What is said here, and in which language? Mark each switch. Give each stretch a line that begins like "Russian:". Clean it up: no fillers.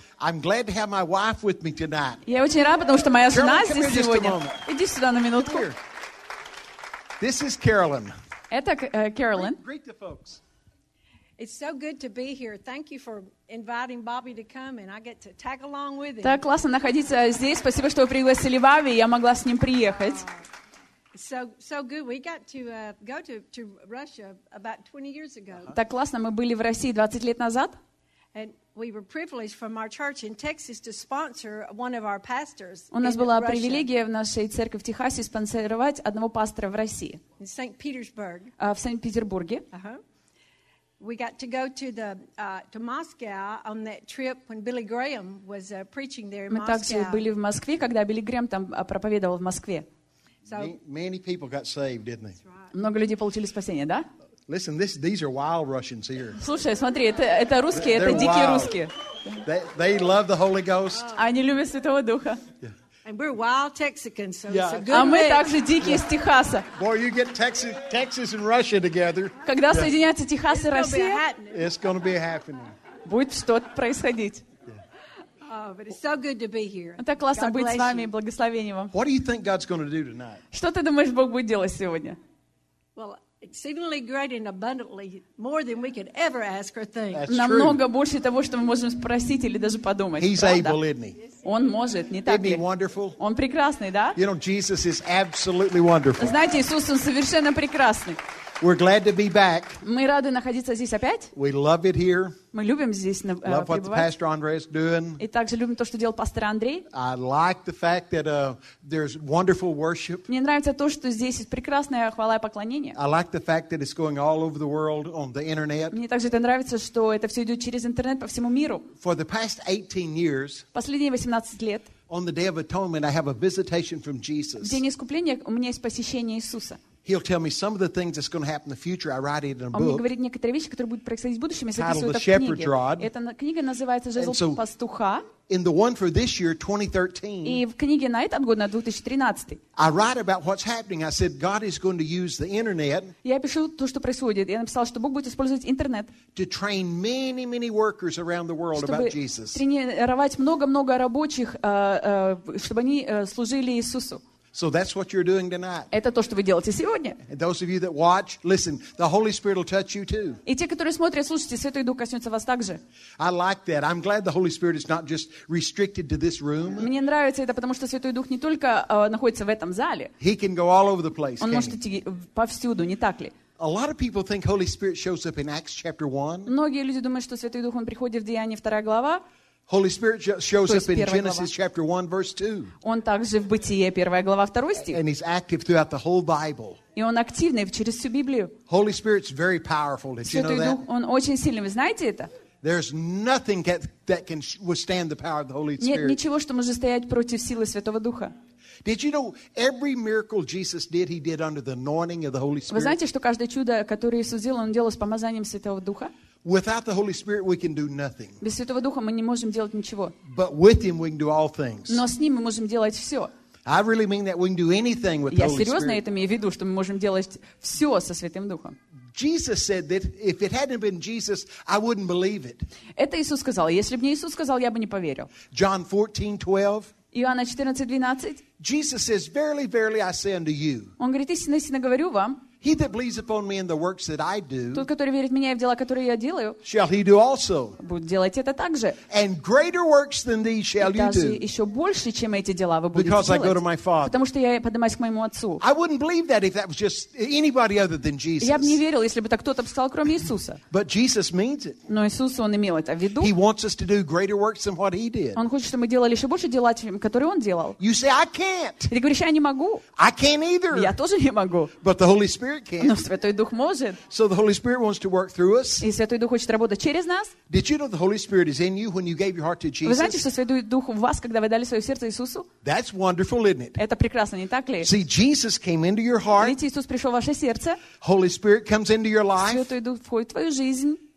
English: I'm glad to have my wife with me tonight.
Russian: Я очень рад, потому что моя жена здесь сегодня. Иди сюда на минутку.
English: This is Carolyn.
Russian: Это Carolyn.
English: Greet the folks. It's so good to be here. Thank you for inviting Bobby to come, and I get to tag along with him.
Russian: Так классно находиться здесь. Спасибо, что вы пригласили Бобби, я могла с ним приехать.
English: So good. We got to go to Russia about 20 years ago.
Russian: Так классно, мы были в России 20 лет назад.
English: And we were privileged from our church in Texas to sponsor one of our pastors.
Russian: У нас была привилегия в нашей церкви в Техасе спонсировать одного пастора в России.
English: In St. Petersburg.
Russian: В Санкт-Петербурге.
English: We got to go to the to Moscow on that trip when Billy Graham was preaching there in
Russian: Moscow. Мы также были в Москве, когда Билли Грэм там проповедовал в Москве.
English: So many people got saved, didn't they?
Russian: Много людей получили спасение, да?
English: Listen, these are wild Russians here.
Russian: Слушай, смотри, это русские, это дикие русские.
English: They love the Holy Ghost.
Russian: Они любят Святого Духа.
English: And we're wild Texans, so yeah. It's a good а mix.
Russian: Мы также дикие из Техаса.
English: Boy, you get Texas and Russia together.
Russian: Когда соединяются Техас и Россия,
English: it's going to be happening.
Russian: Будет что-то происходить.
English: Oh, but it's so good to be here.
Russian: Это классно быть с вами, благословение вам.
English: What do you think God's going to do tonight?
Russian: Что ты думаешь, Бог будет делать сегодня?
English: Well, exceedingly great and abundantly more than we could ever ask or think. That's
Russian: намного больше того, что мы можем спросить или даже подумать.
English: He's able, isn't he?
Russian: Он может, не так ли?
English: Isn't he wonderful?
Russian: Он прекрасный, да?
English: You know, Jesus is absolutely wonderful.
Russian: Знаете, Иисус, он совершенно прекрасный.
English: We're glad to be back.
Russian: Мы рады находиться здесь опять.
English: We love it here.
Russian: Мы любим здесь
English: love
Russian: пребывать.
English: What the pastor Andrei is doing.
Russian: И также любим то, что делал пастор Андрей.
English: I like the fact that there's wonderful worship.
Russian: Мне нравится то, что здесь есть прекрасная хвала и поклонение.
English: I like the fact that it's going all over the world on the internet.
Russian: Мне также это нравится, что это все идет через интернет по всему миру.
English: For the past 18 years.
Russian: Последние 18 лет.
English: On the Day of Atonement, I have a visitation from Jesus.
Russian: В день искупления у меня есть посещение Иисуса.
English: He'll tell me some of the things that's going to happen in the future. I write it in a book.
Russian: Он мне говорит некоторые вещи, которые будут происходить в будущем, если я запишу это в книге. Titled The Shepherd's Rod. Эта книга называется «Жезл пастуха».
English: In the one for this year, 2013.
Russian: И в книге на этот год, на 2013.
English: I write about what's happening. I said God is going to use the internet.
Russian: Я пишу то, что происходит. Я написал, что Бог будет использовать интернет.
English: To train many, many workers around the world about Jesus.
Russian: Чтобы тренировать много-много рабочих, чтобы они служили Иисусу.
English: So that's what you're doing tonight.
Russian: Это то, что вы делаете сегодня.
English: And those of you that watch, listen, the Holy Spirit will touch you too.
Russian: И те, которые смотрят, слушайте, Святой Дух коснется вас также.
English: I like that. I'm glad the Holy Spirit is not just restricted to this room.
Russian: Мне нравится это, потому что Святой Дух не только находится в этом зале.
English: He can go all over the place.
Russian: Он может идти повсюду, не так ли?
English: A lot of people think Holy Spirit shows up in Acts chapter 1.
Russian: Многие люди думают, что Святой Дух он приходит в Деяния 2 глава.
English: Holy Spirit shows up in Genesis chapter 1 verse 2.
Russian: Он также в Бытие, 1 глава, 2 стих.
English: And he's active throughout the whole Bible.
Russian: И он активный через всю Библию.
English: Holy Spirit's very powerful, did you know that?
Russian: Он очень сильный, вы знаете это?
English: There's nothing that can withstand the power of the Holy Spirit.
Russian: Нет ничего, что может стоять против силы Святого Духа.
English: Did you know every miracle Jesus did, he did under the anointing of the Holy Spirit?
Russian: Вы знаете, что каждое чудо, которое Иисус делал, он делал с помазанием Святого Духа?
English: Without the Holy Spirit, we can do nothing.
Russian: Без Святого Духа мы не можем делать ничего.
English: But with Him, we can do all things.
Russian: Но с Ним мы можем делать все.
English: I really mean that we can do anything with the Holy Spirit.
Russian: Я серьезно это имею в виду, что мы можем делать все со Святым Духом.
English: Jesus said that if it hadn't been Jesus, I wouldn't believe it.
Russian: Это Иисус сказал. Если бы не Иисус сказал, я бы не поверил.
English: John 14:12.
Russian: Иоанна 14:12.
English: Jesus says, "Verily, verily, I say unto you."
Russian: Он говорит, истинно, истинно говорю вам.
English: He that believes upon me and the works that I do,
Russian: тот, который верит в меня и в дела, которые я делаю,
English: shall he do also.
Russian: Будет делать это также.
English: And greater works than these shall you do.
Russian: Даже еще больше, чем эти дела, вы будете
English: because
Russian: делать.
English: I go to my Father.
Russian: Потому что я поднимаюсь к моему отцу.
English: I wouldn't believe that if that was just anybody other than Jesus.
Russian: Я бы не верил, если бы так кто-то сказал, кроме Иисуса.
English: But Jesus means it.
Russian: Но Иисус, он имел это в виду.
English: He wants us to do greater works than what he did.
Russian: Он хочет, чтобы мы делали еще больше дела, чем которые он делал.
English: You say I can't.
Russian: Ты говоришь, я не могу.
English: I can't either.
Russian: Я тоже не могу.
English: But the Holy Spirit.
Russian: Но Святой Дух может.
English: So the Holy Spirit wants to work through us.
Russian: И Святой Дух хочет работать через нас.
English: Did you know the Holy Spirit is in you when you gave your heart to Jesus?
Russian: Вы знаете, что Святой Дух в вас, когда вы дали свое сердце Иисусу?
English: That's wonderful, isn't it?
Russian: Это прекрасно, не так ли?
English: See, Jesus came into your heart.
Russian: Видите, Иисус пришел в ваше сердце.
English: Holy Spirit comes into your life.
Russian: Святой Дух входит в твою жизнь.